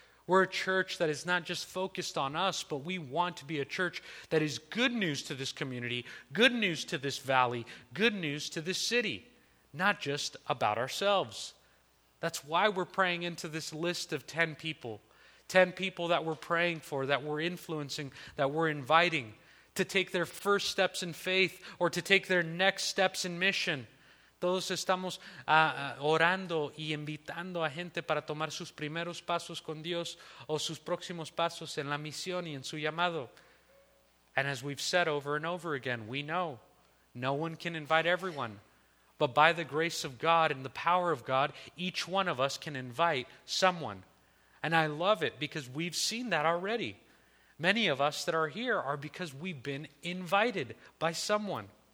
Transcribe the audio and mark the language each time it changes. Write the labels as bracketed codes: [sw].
[en] We're a church that is not just focused on us, but we want to be a church that is good news to this community, good news to this valley, good news to this city. Not just about ourselves. That's why we're praying into this list of 10 people. 10 people that we're praying for, that we're influencing, that we're inviting to take their first steps in faith or to take their next steps in mission. [es] Todos estamos orando y invitando a gente para tomar sus primeros pasos con Dios o sus próximos pasos en la misión y en su llamado. [en] And as we've said over and over again, we know no one can invite everyone. But by the grace of God and the power of God, each one of us can invite someone. And I love it because we've seen that already. Many of us that are here are because we've been invited by someone.